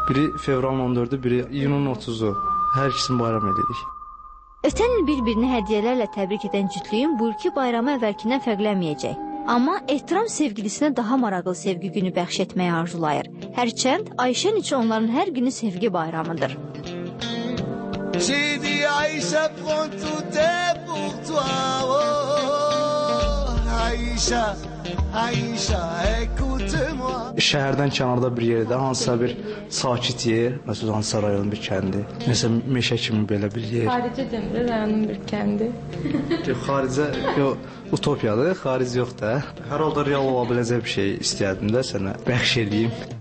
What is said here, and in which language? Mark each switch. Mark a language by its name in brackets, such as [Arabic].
[Azerbaijani] Biri fevralın 14-ü, biri iyunun 30-u. Hər ikisini bayram edirik. Ötən il bir-birini hədiyələrlə təbrik edən cütlüyün bu ilki bayramı əvvəlkindən fərqləməyəcək. Amma ehtiram sevgilisinə daha maraqlı sevgi günü bəxş etməyə arzulayır. Hərçənd Ayşən üçün onların hər günü sevgi bayramıdır. [French] J'ai dit Aïcha, prends tout est pour toi. Oh, Aïcha, Aïcha, écoute-moi. [Azerbaijani] Şəhərdən kənarda bir yerdə hansısa bir sakit yer, məsələn hansısa rayonun bir kəndi, məsələn meşə kimi belə bir yer. Xaricə Demirli rayonun bir kəndi. Yox, xaricə, yox, utopiyadır, xaric yox da. Hər halda real ola biləcək bir şey istəyərdim də sənə bəxş edeyim.